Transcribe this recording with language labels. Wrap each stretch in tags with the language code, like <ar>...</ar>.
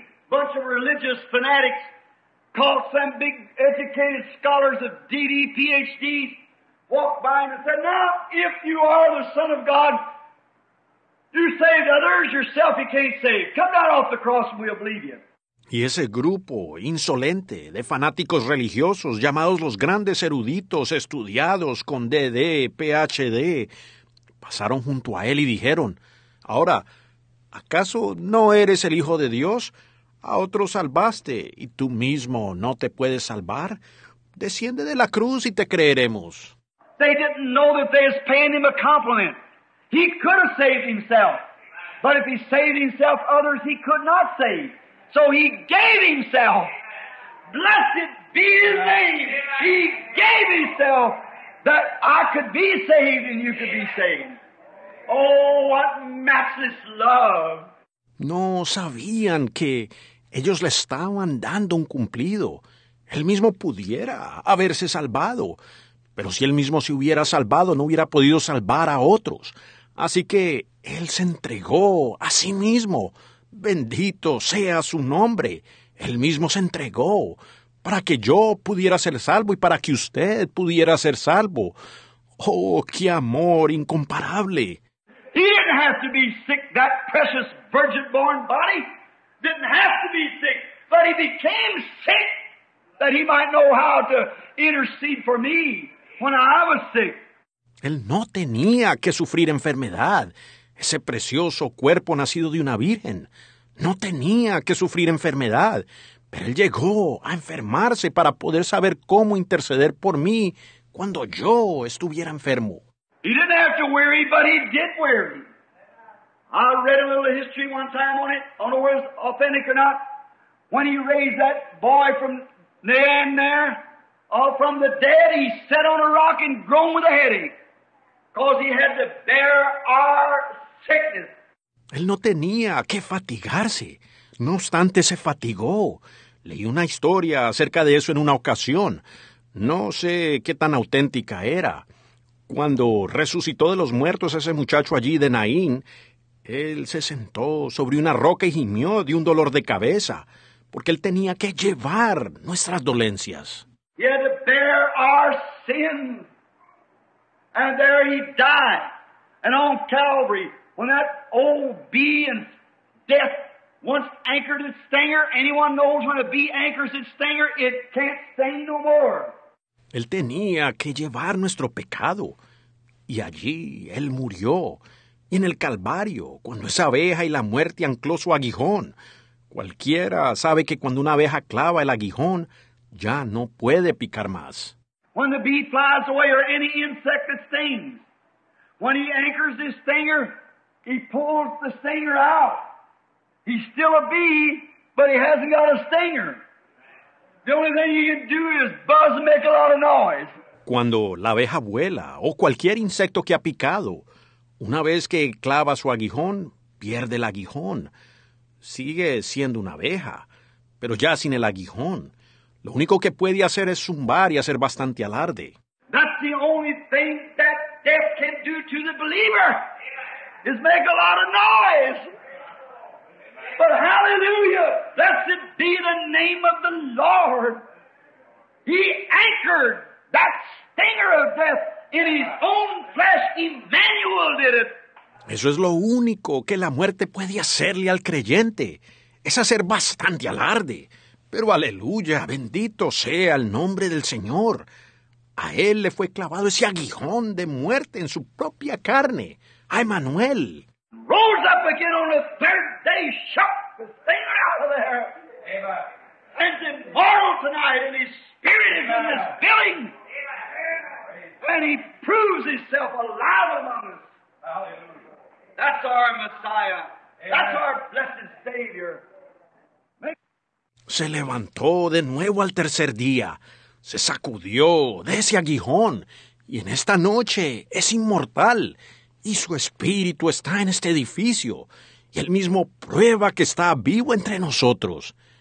<en>Bunch of religious fanatics called some big educated scholars of DD, PhDs, walked by and said, now, if you are the Son of God, you saved others, yourself you can't save. Come down off the cross and we'll believe you.</en> <es>Y ese grupo insolente de fanáticos religiosos llamados los grandes eruditos estudiados con DD, PhD, pasaron junto a él y dijeron, ahora, ¿acaso no eres el Hijo de Dios? A otro salvaste, y tú mismo no te puedes salvar. Desciende de la cruz y te creeremos.</es> <en>They didn't know that they was paying him a compliment. He could have saved himself. But if he saved himself, others he could not save. So he gave himself. Blessed be his name. He gave himself that I could be saved and you could be saved. Oh, what matchless love.</en> <es>No sabían que ellos le estaban dando un cumplido. Él mismo pudiera haberse salvado. Pero si él mismo se hubiera salvado, no hubiera podido salvar a otros. Así que él se entregó a sí mismo. Bendito sea su nombre. Él mismo se entregó para que yo pudiera ser salvo y para que usted pudiera ser salvo. Oh, qué amor incomparable.</es> <en>He didn't have to be sick, that precious virgin-born body. Didn't have to be sick, but he became sick that he might know how to intercede for me when I was sick.</en> <es>Él no tenía que sufrir enfermedad. Ese precioso cuerpo nacido de una virgen. No tenía que sufrir enfermedad. Pero él llegó a enfermarse para poder saber cómo interceder por mí cuando yo estuviera enfermo.</es> <en>He didn't have to weary, but he did weary. I read a little history one time on it. I don't know whether it's authentic or not. When he raised that boy from Nain there, all from the dead, he sat on a rock and groaned with a headache. Because he had to bear our sickness.</en> <es>Él no tenía que fatigarse. No obstante, se fatigó. Leí una historia acerca de eso en una ocasión. No sé qué tan auténtica era. Cuando resucitó de los muertos ese muchacho allí de Naín, él se sentó sobre una roca y gimió de un dolor de cabeza, porque él tenía que llevar nuestras dolencias.</es> <en>He had to bear our sin. And there he died. And on Calvary, when that old bee and death once anchored its stinger, anyone knows when a bee anchors its stinger, it can't sting no more.</en> <es>Él tenía que llevar nuestro pecado, y allí él murió. Y en el Calvario, cuando esa abeja y la muerte ancló su aguijón, cualquiera sabe que cuando una abeja clava el aguijón, ya no puede picar más.</es> <en>When the bee flies away or any insect that stings, when he anchors his stinger, he pulls the stinger out. He's still a bee, but he hasn't got a stinger. The only thing you can do is buzz and make a lot of noise.</en> <es>Cuando la abeja vuela, o cualquier insecto que ha picado, una vez que clava su aguijón, pierde el aguijón. Sigue siendo una abeja, pero ya sin el aguijón. Lo único que puede hacer es zumbar y hacer bastante alarde.</es> <en>That's the only thing that death can do to the believer, is make a lot of noise. But hallelujah, blessed be the name of the Lord. He anchored that stinger of death in his own flesh. Emmanuel did it.</en> <es>Eso es lo único que la muerte puede hacerle al creyente. Es hacer bastante alarde. Pero aleluya, bendito sea el nombre del Señor. A él le fue clavado ese aguijón de muerte en su propia carne. A Emmanuel.</es> <en>Rose up again on the third day, shot the stinger out of there. Amen. And tomorrow tonight, and his spirit is in this building. Amen. And he proves himself alive among us. Hallelujah. That's our Messiah. Amen. That's our blessed Savior.</en> <es>Se levantó de nuevo al tercer día. Se sacudió de ese aguijón. Y en esta noche es inmortal. Y su espíritu está en este edificio. Y él mismo prueba que está vivo entre nosotros.</es>